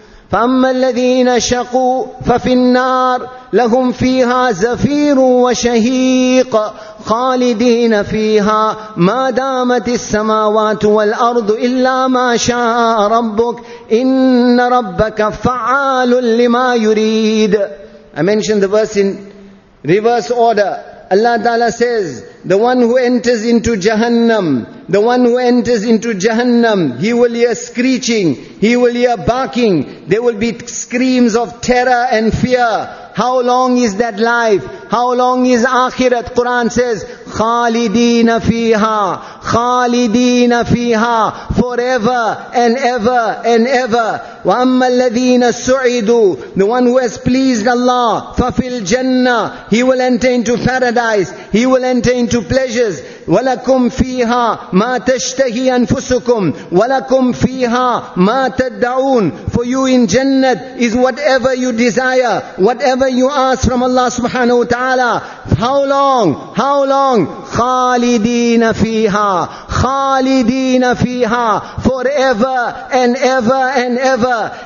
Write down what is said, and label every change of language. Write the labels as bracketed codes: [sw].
[ar] فأما الذين شقوا ففي النار لهم فيها زفير وشهيق خالدين فيها ما دامت السماوات والأرض إلا ما شاء ربك إن ربك فعال لما يريد. [en] I mentioned the verse in reverse order. Allah Ta'ala says, the one who enters into Jahannam, the one who enters into Jahannam, he will hear screeching, he will hear barking, there will be screams of terror and fear. How long is that life? How long is akhirat? Quran says, خالدين فيها خالدين فيها forever and ever and ever. وأما الذين سعدوا, the one who has pleased Allah, ففي الجنة, he will enter into paradise, he will enter into pleasures. [ar] ولكم فيها ما تشتهي أنفسكم ولكم فيها ما تدعون. [en] For you in Jannah is whatever you desire, whatever you ask from Allah subhanahu wa ta'ala. How long? How long? خالدين فيها, خالدين فيها, forever and ever and ever.